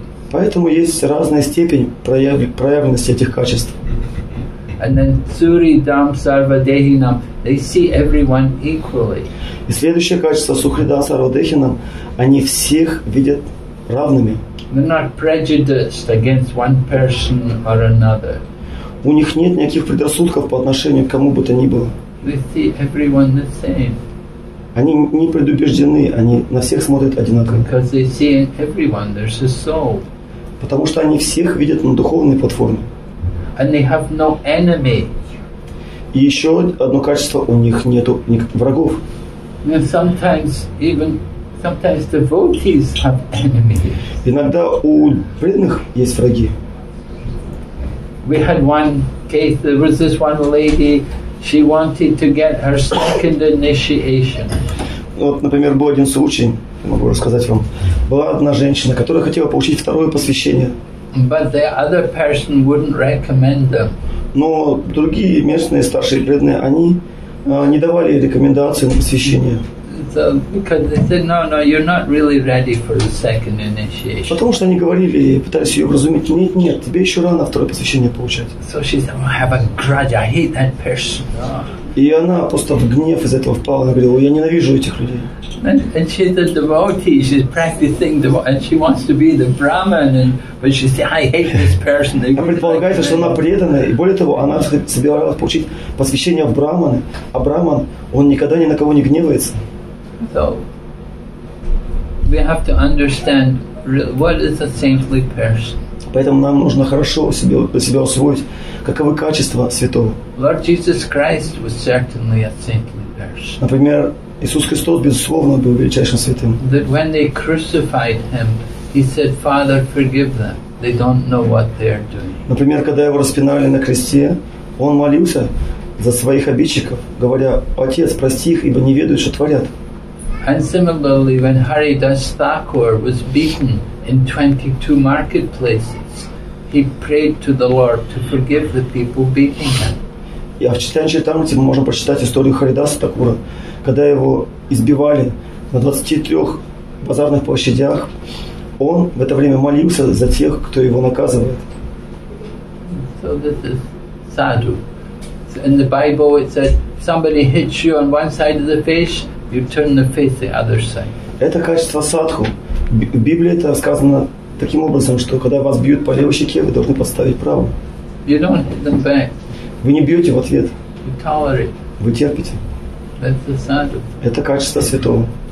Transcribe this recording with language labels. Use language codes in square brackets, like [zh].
[ru] Поэтому есть разная степень проявленности этих качеств. [en] And then Suri Dam Sarvadehinam, they see everyone equally. [ru] И следующее качество Сухри Дам Сарвадехинам, они всех видят равными. [en] They're not prejudiced against one person or another. [ru] У них нет никаких предрассудков по отношению к кому бы то ни было. [en] They see everyone the same. [ru] Они не предубеждены, они на всех смотрят одинаково. [en] Because they see in everyone there's a soul. [ru] Потому что они всех видят на духовной платформе. [en] And they have no enemy. [ru] И еще одно качество, у них нету никаких врагов. [en] And sometimes devotees have enemies. [ru] Иногда у преданных есть враги. [en] We had one case. There was this one lady. She wanted to get her second initiation. [ru] Вот, например, был один случай. Я могу рассказать вам. Была одна женщина, которая хотела получить второе посвящение. [en] But the other person wouldn't recommend them. [ru] Но другие местные старшие преданные, они не давали рекомендации на посвящение. [en] So, because they said, no, you're not really ready for the second initiation. [ru] Потому что они говорили, пытались ее вразумить, нет, тебе еще рано второе посвящение получать. [en] So she said, I have a grudge, I hate that person. [ru] И она просто в гнев из этого впала, она говорила, я ненавижу этих людей. [en] And she's a devotee, she's practicing devotee, and she wants to be the Brahman, and but she said, I hate this person. [ru] Она предполагает, что она преданная, и более того, она собиралась получить посвящение в Брахманы, а Брахман, он никогда ни на кого не гневается. [en] So, we have to understand what is a saintly person. [ru] Поэтому нам нужно хорошо себя усвоить, каковы качества святого. [en] Lord Jesus Christ was certainly a saintly person. [ru] Например, Иисус Христос, безусловно, был величайшим святым. [en] That when they crucified him, he said, Father, forgive them. They don't know what they are doing. [ru] Например, когда его распинали на кресте, он молился за своих обидчиков, говоря, Отец, прости их, ибо не ведают, что творят. [en] And similarly, when Haridas Thakur was beaten in 22 marketplaces, he prayed to the Lord to forgive the people beating him. [ru] И в Читании Чайтамрити мы можем прочитать историю Харидаса Такура, когда его избивали на 23 базарных площадях. Он в это время молился за тех, кто его наказывает. [en] So this is sadhu. In the Bible it says, somebody hits you on one side of the face, you turn the face the other side. [ru] Это качество садху. В Библии это сказано таким образом, что когда вас бьют по левой щеке, вы должны подставить правую. [en] You don't hit them back. [ru] Вы не бьете в ответ. [en] You tolerate. [ru] Вы терпите. [en] That's the sadhu. [ru] Это качество святого.